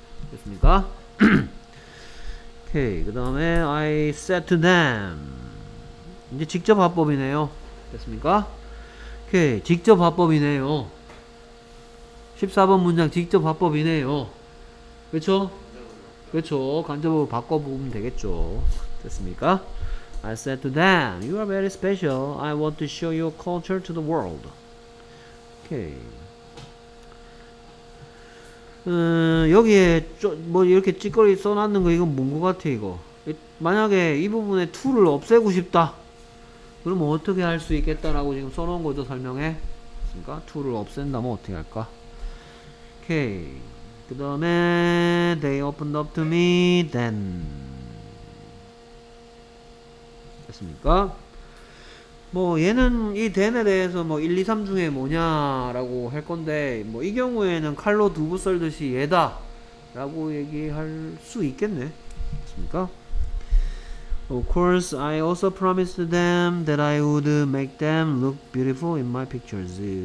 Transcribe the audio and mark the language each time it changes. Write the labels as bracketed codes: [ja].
[ko] 됐습니까? 오케이. 그 다음에 [en] I said to them. [ko] 이제 직접 화법이네요. 됐습니까? 오케이. 직접 화법이네요. 14번 문장 직접 화법이네요. 그쵸? 그쵸? 간접으로 바꿔보면 되겠죠. 됐습니까? [en] I said to them, you are very special. I want to show your culture to the world. [ko] 오케이. 여기에 뭐 이렇게 찌꺼리 써놨는 거 이건 뭔 거 같아 이거. 만약에 이 부분에 2를 없애고 싶다. 그러면 어떻게 할 수 있겠다라고 지금 써놓은 거죠, 설명해? 됐습니까? 2를 없앤다면 어떻게 할까? 오케이. 그 다음에 [en] they opened up to me then. [ko] 됐습니까? 뭐 얘는 이 then에 대해서 뭐 1, 2, 3 중에 뭐냐 라고 할 건데 뭐 이 경우에는 칼로 두부 썰듯이 얘다 라고 얘기할 수 있겠네. 됐습니까? [en] Of course I also promised them that I would make them look beautiful in my pictures.